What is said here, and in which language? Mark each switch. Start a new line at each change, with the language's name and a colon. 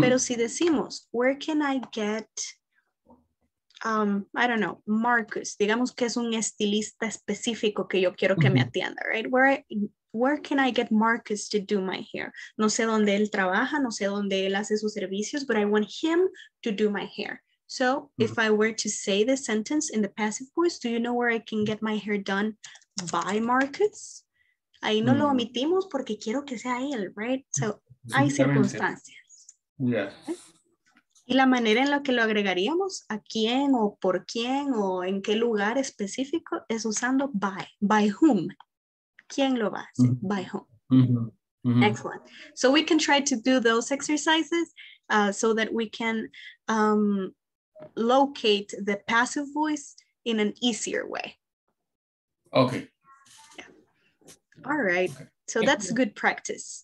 Spanish: Pero si decimos,
English: where can I get, I don't know,
Spanish: Marcus, digamos que es un estilista específico que yo quiero que me atienda, right?
English: Where can I get Marcus to do my hair?
Spanish: No sé dónde él trabaja, no sé dónde él hace sus servicios,
English: but I want him to do my hair. So if I were to say the sentence in the passive voice, do you know where I can get my hair done by Marcus?
Spanish: Ahí no lo omitimos porque quiero que sea él, right? So hay circunstancias.
English: Yes.
Spanish: Y la manera en la que lo agregaríamos, a quién o por quién o en qué lugar específico, es usando by.
English: By whom?
Spanish: ¿Quién lo va a hacer? Mm-hmm.
English: By whom. Mm-hmm. Excellent. So we can try to do those exercises so that we can locate the passive voice in an easier way. Okay. Yeah. All right. Okay. So that's good practice.